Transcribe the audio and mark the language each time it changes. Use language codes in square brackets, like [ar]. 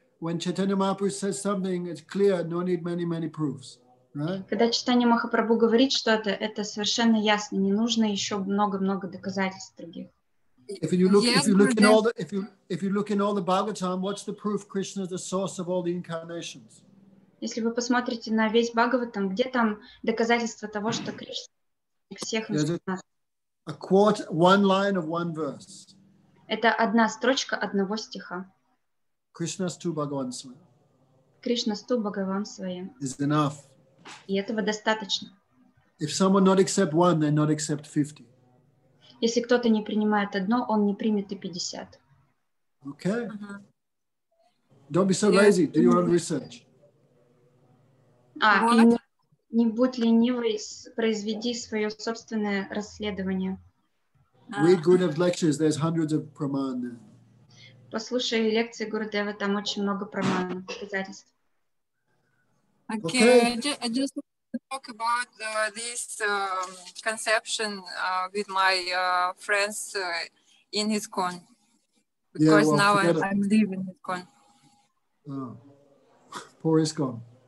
[en] When Chaitanya Mahaprabhu says something, it's clear, no need many proofs, right? [ru] Когда Чайтанья Махапрабху говорит что-то, это совершенно ясно, не нужно еще много доказательств других. [en] If you look in all the Bhagavatam, what's the proof Krishna is the source of all the incarnations? [ru] Если вы посмотрите на весь Бхагаватам, где там доказательства того, что Кришна всех [en] нас? A quote, one line of one verse. [ru] Это одна строчка одного стиха. [sa] Krishna stu Bhagavan svayam. Krishna stu Bhagavan svayam. [en] Is enough. [ru] И этого достаточно. [en] If someone not accept one, they not accept 50. [ru] Если кто-то не принимает одно, он не примет и 50. [en] Okay. Uh-huh. Don't be so lazy. Do your own research. [ru] Не будь ленивой, произведи свое собственное расследование. [en] Read Gurudev lectures. There's hundreds of praman there. [ru] Послушай лекции Гурудева, там очень много праман, доказательств. [en] Okay, I just want to talk about this conception with my friends in ISKCON. Because yeah, well, now I'm leaving ISKCON. Oh. Poor ISKCON.